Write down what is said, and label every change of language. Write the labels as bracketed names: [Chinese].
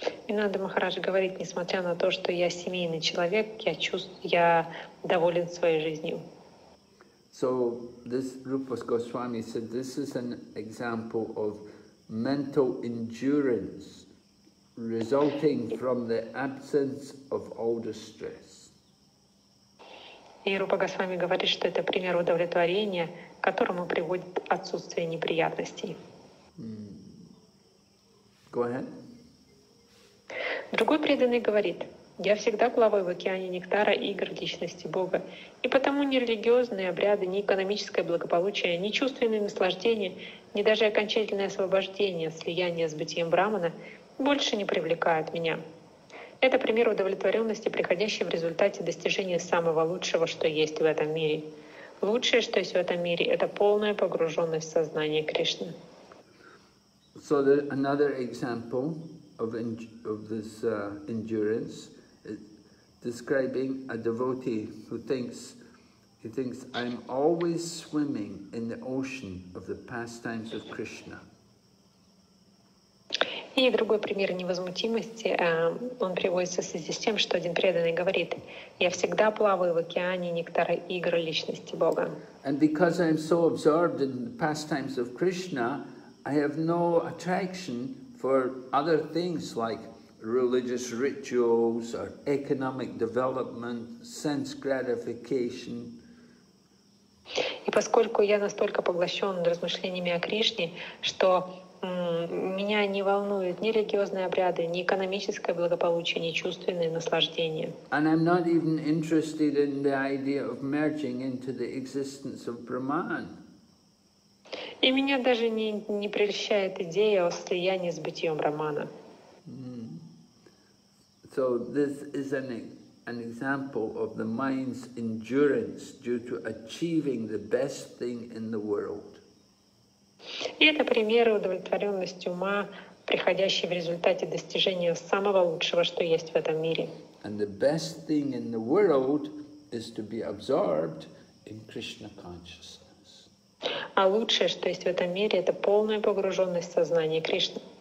[Russian] Ананда Махарадж говорит, несмотря на то, что я семейный человек, я доволен своей жизнью. [English] So this Rupa Goswami said, this is an example of mental endurance resulting from the absence of all distress. [Russian] И Рупа Госвами говорит, что это пример удовлетворения, которому приводит отсутствие неприятностей. [English] Go ahead. [Russian] Другой преданный говорит, я всегда плаваю в океане нектара игр личности Бога, и потому ни религиозные обряды, ни экономическое благополучие, ни чувственные наслаждения, ни даже окончательное освобождение, слияние с бытием Брахмана больше не привлекают меня. Это пример удовлетворенности, приходящий в результате достижения самого лучшего, что есть в этом мире. Лучшее, что есть в этом мире, это полная погруженность в сознание Кришны. [English] So another example of this endurance is describing a devotee who thinks I'm always swimming in the ocean of the pastimes of Krishna. [Russian] И другой пример невозмутимости, он приводится в связи с тем, что один преданный говорит, я всегда плаваю в океане нектара игр личности Бога. [English] And because I am so absorbed in the pastimes of Krishna, I have no attraction for other things like religious rituals or economic development, sense gratification. [Russian] И поскольку я настолько поглощен размышлениями о Кришне, что меня не волнуют ни религиозные обряды, ни экономическое благополучие, ни чувственные наслаждения. [English] And I'm not even interested in the idea of merging into the existence of Brahman. [Russian] И меня даже не прельщает идея о слиянии с бытием Брахмана. [English] So this is an example of the mind's endurance due to achieving the best thing in the world. [Russian] И это примеры удовлетворенности ума, приходящие в результате достижения самого лучшего, что есть в этом мире. [English] And the best thing in the world is to be absorbed in Krishna consciousness. [Russian] А лучшее, что есть в этом мире, это полная погруженность в сознание Кришны.